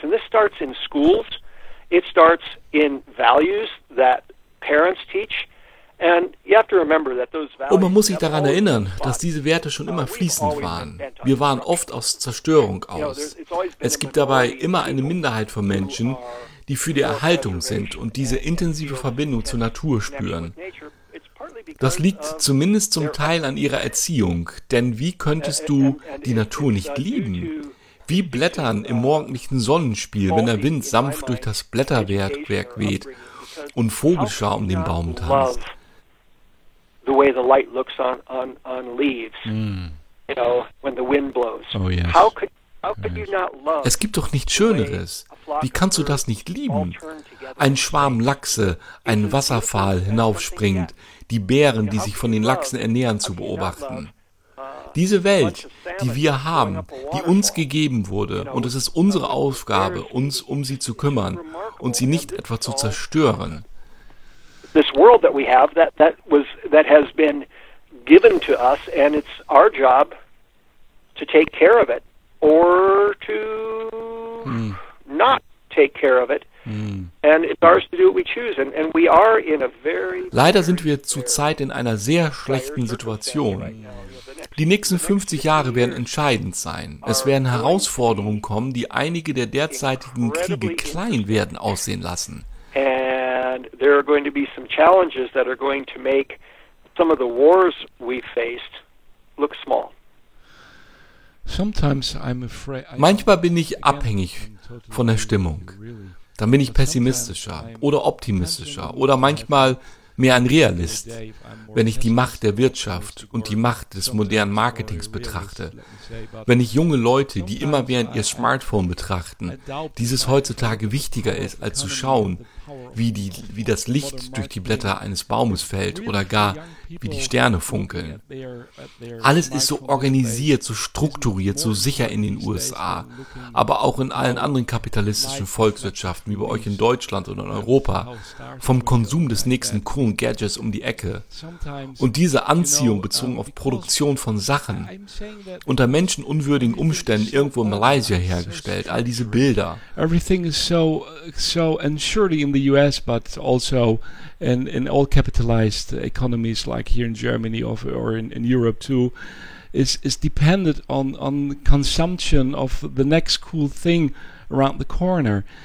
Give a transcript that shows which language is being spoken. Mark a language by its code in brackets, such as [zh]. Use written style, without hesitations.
[en] And this starts in schools, it starts in values that parents teach. [de] Und man muss sich daran erinnern, dass diese Werte schon immer fließend waren. Wir waren oft aus Zerstörung aus. Es gibt dabei immer eine Minderheit von Menschen, die für die Erhaltung sind und diese intensive Verbindung zur Natur spüren. Das liegt zumindest zum Teil an ihrer Erziehung, denn wie könntest du die Natur nicht lieben? Wie Blättern im morgendlichen Sonnenspiel, wenn der Wind sanft durch das Blätterwerk weht und Vogelschar um den Baum tanzt. [en] The way the light looks on leaves, you know, when the wind blows. Oh, yes. How could you not love? [de] Es gibt doch nichts Schöneres. Wie kannst du das nicht lieben? Ein Schwarm Lachse, ein Wasserfall hinaufspringt, die Bären, die sich von den Lachsen ernähren, zu beobachten. Diese Welt, die wir haben, die uns gegeben wurde, und es ist unsere Aufgabe, uns um sie zu kümmern und sie nicht etwa zu zerstören. [en] This world that we have, that has been given to us, and it's our job to take care of it or to not take care of it. And it's ours to do what we choose, and we are in a very. [de] Leider sind wir zurzeit in einer sehr schlechten Situation. Die nächsten 50 Jahre werden entscheidend sein. Es werden Herausforderungen kommen, die einige der derzeitigen Kriege klein werden aussehen lassen. [en] And there are going to be some challenges that are going to make some of the wars we faced look small. Sometimes I'm afraid. [de] Manchmal bin ich abhängig von der Stimmung. Dann bin ich pessimistischer oder optimistischer oder manchmal mehr ein Realist, wenn ich die Macht der Wirtschaft und die Macht des modernen Marketings betrachte. Wenn ich junge Leute, die immer mehr ihr Smartphone betrachten, dieses heutzutage wichtiger ist, als zu schauen, wie das Licht durch die Blätter eines Baumes fällt oder gar wie die Sterne funkeln. Alles ist so organisiert, so strukturiert, so sicher in den USA, aber auch in allen anderen kapitalistischen Volkswirtschaften, wie bei euch in Deutschland und in Europa, vom Konsum des nächsten coolen Gadgets um die Ecke. Und diese Anziehung bezogen auf Produktion von Sachen, unter menschenunwürdigen Umständen irgendwo in Malaysia hergestellt, all diese Bilder. [en] Everything is so unsure in the US, but also in all capitalized economies like here in Germany or in Europe too, is dependent on consumption of the next cool thing around the corner.